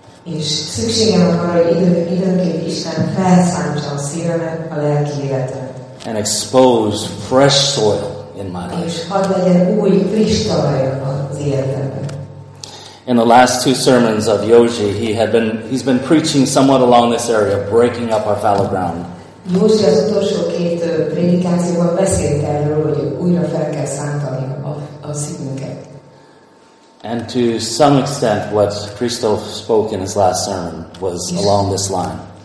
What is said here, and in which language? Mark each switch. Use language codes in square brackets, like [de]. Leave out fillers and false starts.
[hu] És szükségem van arra, hogy időnként Isten felszántsa a szívemet, a lelki életet. [en] And expose fresh soil in my life. [hu] És hadd legyen új, friss talaj az életemben. [en] In the last two sermons of Józsi, he's been preaching somewhat along this area, breaking up our fallow ground. [hu] Józsi az utolsó két prédikációban beszélt erről, hogy újra fel kell szántani a szívünket. [en] And to some extent, what Christoph spoke in his last sermon was along this line.